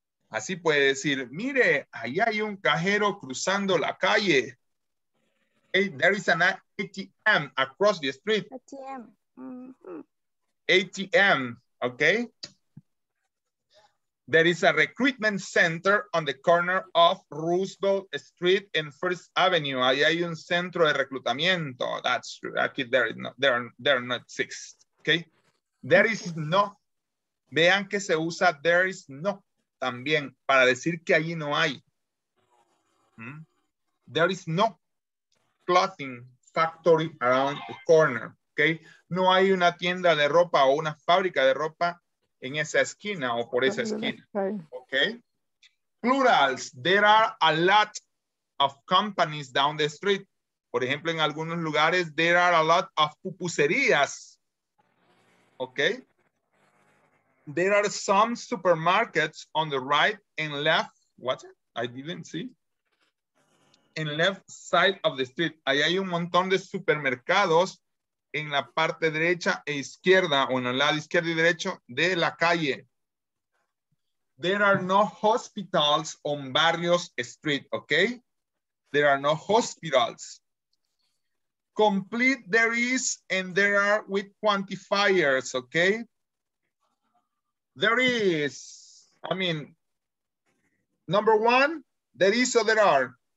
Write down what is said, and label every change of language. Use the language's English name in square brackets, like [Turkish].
[Spanish] Así puede decir, mire, ahí hay un cajero cruzando la calle. [English] Hey, there is an ATM across the street. ATM. ATM, ¿ok? There is a recruitment center on the corner of Roosevelt Street and First Avenue. [Spanish] Ahí hay un centro de reclutamiento. [English] That's true. [Spanish] Aquí [English] there are not six. Okay. There is no. [Spanish] Vean que se usa [English] there is no [Spanish] también para decir que allí no hay. [English] There is no clothing factory around the corner. Okay. [Spanish] No hay una tienda de ropa o una fábrica de ropa en esa esquina o por esa esquina. [English] Okay. Plurals. There are a lot of companies down the street. [Spanish] Por ejemplo, en algunos lugares, [English] there are a lot of pupuserías. Okay. There are some supermarkets on the right and left. What? I didn't see. In left side of the street. [Spanish] Ahí hay un montón de supermercados en la parte derecha e izquierda, o en el lado izquierdo y derecho de la calle. [English] There are no hospitals on Barrios Street, okay? There are no hospitals. Complete there is and there are with quantifiers, okay? There is, I mean, number one, there is or there are?